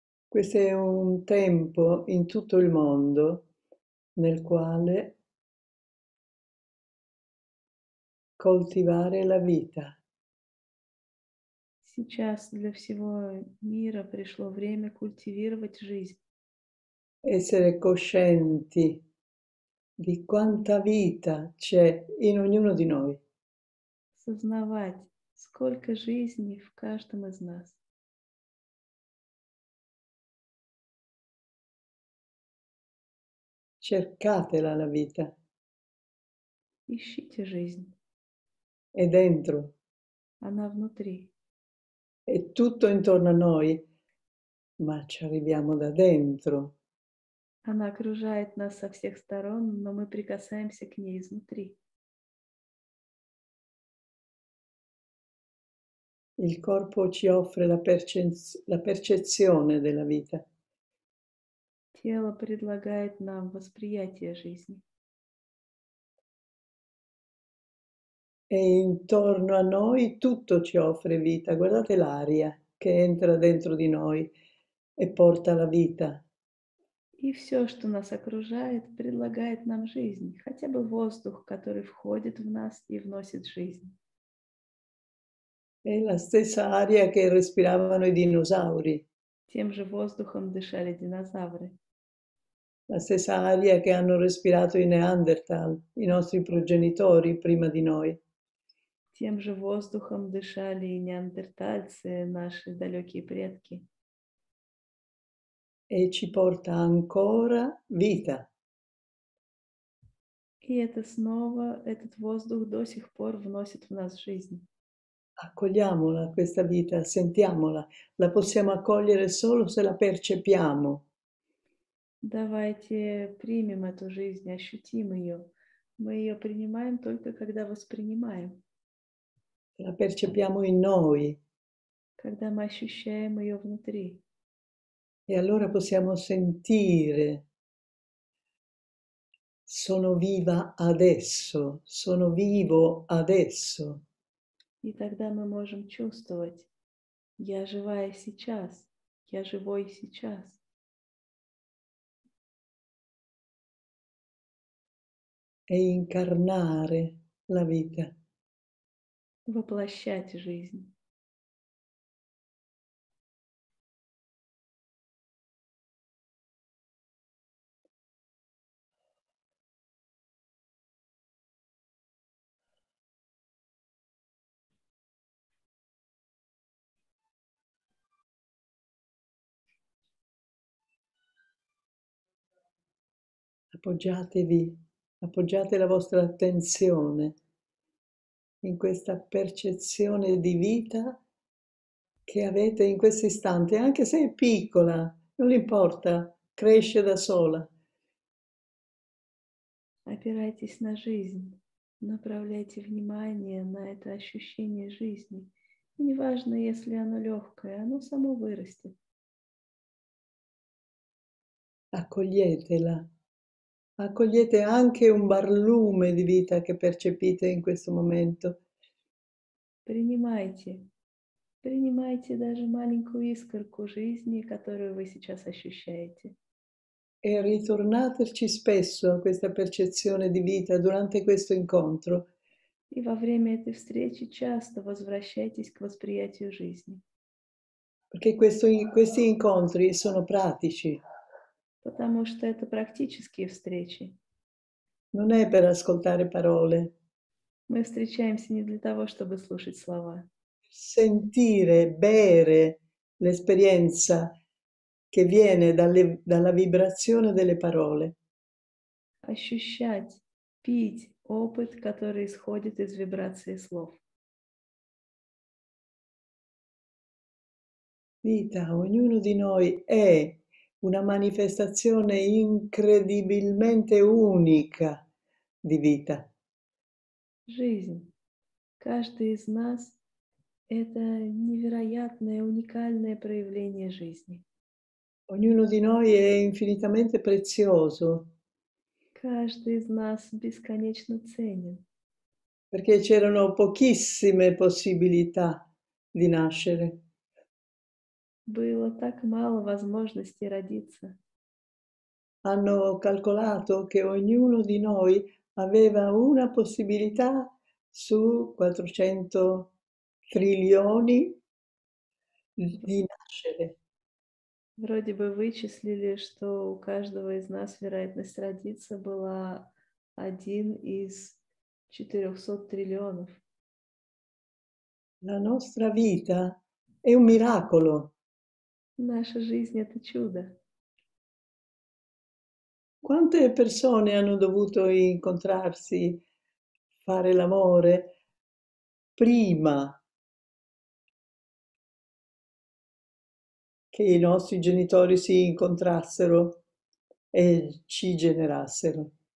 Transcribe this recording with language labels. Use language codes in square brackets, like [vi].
[it] Questo è un tempo in tutto il mondo nel quale coltivare la vita. [ru] Сейчас для всего мира пришло время культивировать жизнь. [it] Essere coscienti di quanta vita c'è in ognuno di noi. [ru] Осознавать, сколько жизни в каждом из нас. [it] Cercatela la vita. [ru] Ищите жизнь. [it] È dentro. [ru] Она внутри. [it] È tutto intorno a noi, ma ci arriviamo da dentro. [ru] Она окружает нас со всех сторон, но мы прикасаемся к ней изнутри. [it] Il corpo ci offre la percezione della vita. [ru] Тело предлагает нам восприятие жизни. [it] E intorno a noi tutto ci offre vita. Guardate l'aria che entra dentro di noi e porta la vita. [ru] И все, что нас окружает, предлагает нам жизнь, хотя бы воздух, который входит в нас и вносит жизнь. [it] È la stessa aria che respiravano i dinosauri. [ru] Тем же воздухом дышали динозавры. [it] La stessa aria che hanno respirato i Neanderthal, i nostri progenitori prima di noi. [ru] Тем же воздухом дышали неандертальцы, наши далекие предки. [it] E ci porta ancora vita. [ru] И это снова, этот воздух до сих пор вносит в нас жизнь. [it] Accogliamola questa vita, sentiamola, la possiamo accogliere solo se la percepiamo. [ru] Давайте примем эту жизнь, ощутим ее. Мы ее принимаем только когда воспринимаем. [it] La percepiamo in noi. [ru] Когда мы ощущаем ее внутри. [it] E allora possiamo sentire, sono viva adesso, sono vivo adesso. [ru] И тогда мы можем чувствовать, я живая сейчас, я живой сейчас. [it] E incarnare la vita. [ru] Воплощать жизнь. [it] Appoggiatevi, appoggiate la vostra attenzione in questa percezione di vita che avete in questo istante, anche se è piccola, non importa, cresce da sola. [ru] Опирайтесь на жизнь, направляйте внимание на это ощущение жизни. И неважно, если оно легкое, оно само вырастет. [it] Accoglietela. Accogliete anche un barlume di vita che percepite in questo momento. [ru] Принимайте даже маленькую искорку жизни, которую вы сейчас ощущаете. [it] E ritornateci spesso a questa percezione di vita durante questo incontro. [ru] И во время этой встречи часто возвращайтесь к восприятию жизни. [it] Perché questi incontri sono pratici. [ru] Потому что это практические встречи. [it] Non è per ascoltare parole. [ru] Мы встречаемся не для того, чтобы слушать слова. [it] Sentire, bere l'esperienza che viene dalla vibrazione delle parole. [ru] Ощущать. Пить опыт, который исходит из вибрации слов. [it] Vita, ognuno di noi è una manifestazione incredibilmente unica. Di vita. [ru] Жизнь. Каждый из нас – это невероятное, уникальное проявление жизни. [it] Ognuno di noi è infinitamente prezioso. [ru] Каждый из нас бесконечно ценен. [it] Perché c'erano pochissime possibilità di nascere. [ru] Было так мало возможностей родиться. [it] Hanno calcolato che ognuno di noi aveva una possibilità su 400 trilioni Rinascere. [ru] Вроде бы вычислили, что у каждого из нас вероятность родиться была один из 400 триллионов. [it] La nostra vita è un miracolo. [ru] Наша жизнь — это чудо. [it] Quante persone hanno dovuto incontrarsi, fare l'amore prima che i nostri genitori si incontrassero e ci generassero?